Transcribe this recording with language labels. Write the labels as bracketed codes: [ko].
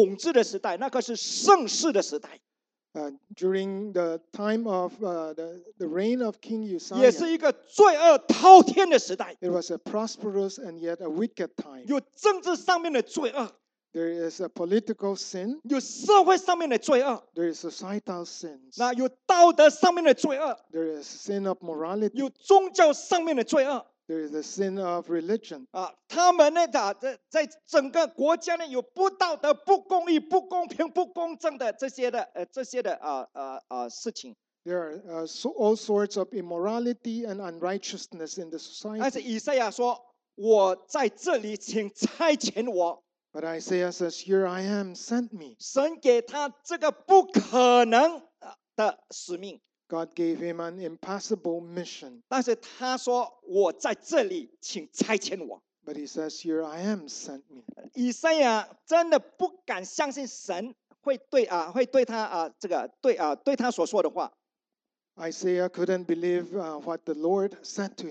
[zh] 我们看到那个时代在乌西亚王统治的时代，那个是盛世的时代。 [en] During the time of the reign of King Uzziah, [zh] 也是一个罪恶滔天的时代。 [en] It was a prosperous and yet a wicked time. [zh] 有政治上面的罪恶。 [en] There is a political sin. [zh] 有社会上面的罪恶。 [en] There is societal sins. [zh] 那有道德上面的罪恶。 [en] There is sin of morality. [zh] 有宗教上面的罪恶。 [en] There is a sin of religion. [zh] 他们呢，在整个国家呢，有不道德、不公义、不公平、不公正的这些的事情。 [en] There are all sorts of immorality and unrighteousness in the society. [zh] 但是以赛亚说：“我在这里，请差遣我。” [en] But Isaiah says, "Here I am, send me." [zh] 神给他这个不可能的使命。 [en] God gave him an impossible mission. [zh] 但是他说：“我在这里，请差遣我。” [en] But he says, "Here I am, send me." [zh] 以赛亚真的不敢相信神会对他所说的话。 [en] Isaiah couldn't believe what the Lord said to him.